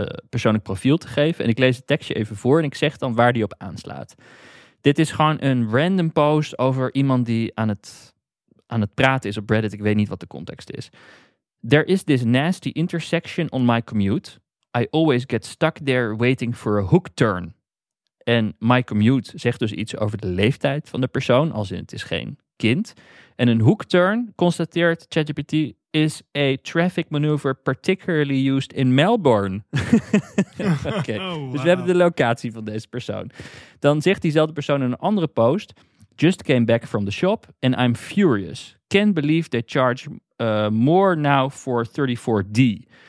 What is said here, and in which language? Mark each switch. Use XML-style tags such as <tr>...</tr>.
<nl>persoonlijk profiel te geven. En ik lees het tekstje even voor en ik zeg dan waar die op aanslaat. Dit is gewoon een random post over iemand die aan het praten is op Reddit. Ik weet niet wat de context is.</nl> <en>There is this nasty intersection on my commute. I always get stuck there waiting for a hook turn.</en> <nl>En</nl> <en>my commute</en> <nl>zegt dus iets over de leeftijd van de persoon, als in het is geen kind. En een hook turn, constateert ChatGPT,</nl> <en>is a traffic maneuver particularly used in Melbourne. Okay. Oh, wow.</en> <nl>Dus we hebben de locatie van deze persoon. Dan zegt diezelfde persoon in een andere post,</nl> <en>just came back from the shop and I'm furious. Can't believe they charge more now for 34D.</en>